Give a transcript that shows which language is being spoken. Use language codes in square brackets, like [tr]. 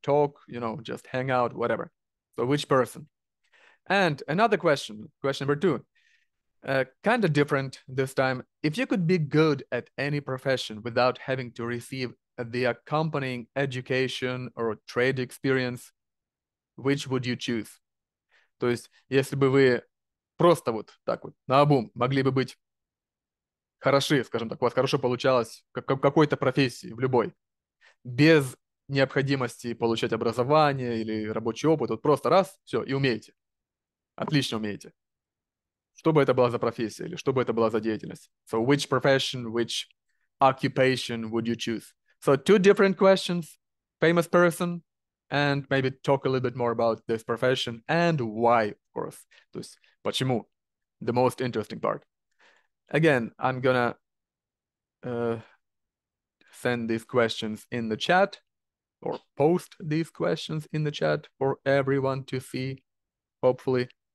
[en] Talk, you know, just hang out, whatever. So which person? And another question, question number two. Kind of different this time. If you could be good at any profession without having to receive the accompanying education or trade experience, which would you choose? [ru] То есть, если бы вы просто вот так вот наобум могли бы быть хороши, скажем так, у вас хорошо получалось в какой-то профессии, в любой, без необходимости получать образование или рабочий опыт, вот просто раз, все, и умеете. Отлично умеете. Что бы это была за профессия или что бы это была за деятельность? [en] So which profession, which occupation would you choose? So two different questions, famous person, and maybe talk a little bit more about this profession and why, of course. [ru] То есть, почему? [en] The most interesting part. Again, I'm gonna send these questions in the chat or post these questions in the chat for everyone to see, hopefully.